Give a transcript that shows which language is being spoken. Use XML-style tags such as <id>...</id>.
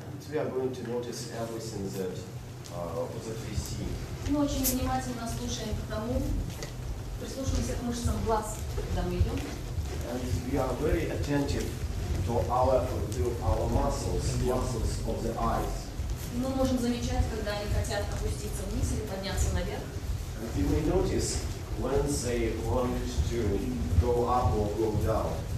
<en>We are going to notice everything that that we see.</en> <ru>Мы очень внимательно слушаем к тому, прислушиваемся к мышцам глаз, когда мы идем.</ru> <en>And we are very attentive to our muscles, muscles of the eyes.</en> <ru>Мы можем замечать, когда они хотят опуститься вниз или подняться наверх.</ru> <en>And we may notice when they want to go up or go down.</en>